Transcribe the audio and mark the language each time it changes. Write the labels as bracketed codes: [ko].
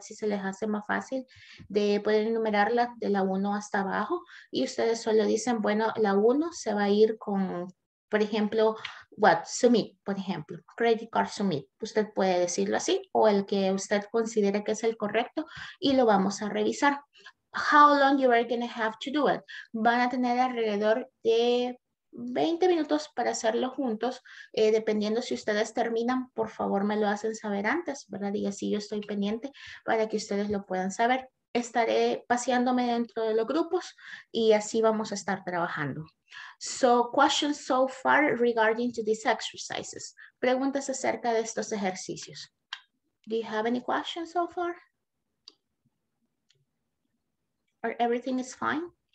[es] Si se les hace más fácil, de pueden enumerarlas de la 1 hasta abajo. Y ustedes solo dicen, bueno, la 1 se va a ir con, por ejemplo, [en] what? [es] Submit, por ejemplo. Credit card submit. Usted puede decirlo así o el que usted considere que es el correcto y lo vamos a revisar. [en] How long you are going to have to do it? [es] Van a tener alrededor de 20 minutos para hacerlo juntos. Dependiendo si ustedes terminan, por favor me lo hacen saber antes, ¿verdad? Y así yo estoy pendiente para que ustedes lo puedan saber. Estaré paseándome dentro de los grupos y así vamos a estar trabajando. [en] So, questions so far regarding to these exercises. [es] Preguntas acerca de estos ejercicios. [en] Do you have any questions so far? Or everything is fine?